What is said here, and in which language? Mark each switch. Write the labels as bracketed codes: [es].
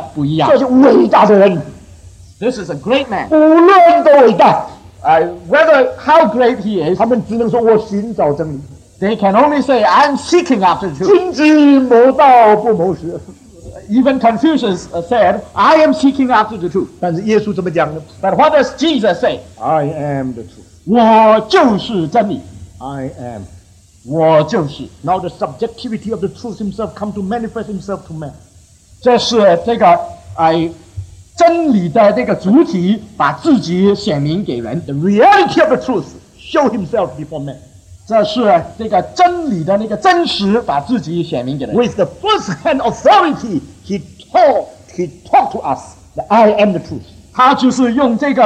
[zh] 世界上面所有这些宗教、跟在哲学所有的伟人所讲的所有的话，全部加起来，与主耶稣讲的话当中，还是有一个这个值得不一样。这是伟大的人 [en] ，This is a great man. [zh] 无论多伟大 [en] ，whether how great he is， [zh] 他们只能说我寻找真理 [en] ，They can only say I'm seeking after truth. [zh] 君子谋道不谋事。 [en] Even Confucius said, I am seeking after the truth. [zh] 但是耶稣这么讲的, [en] but what does Jesus say? I am the truth. [zh] 我就是真理。 [en] I am. [zh] 我就是。 [en] Now the subjectivity of the truth himself come to manifest himself to man. [zh] 这是这个, 真理的这个主体把自己显明给人。 [en] The reality of the truth show himself before man. [zh] 这是这个真理的那个真实把自己显明给人。 [en] With the first hand authority, he talked to us that I am the truth.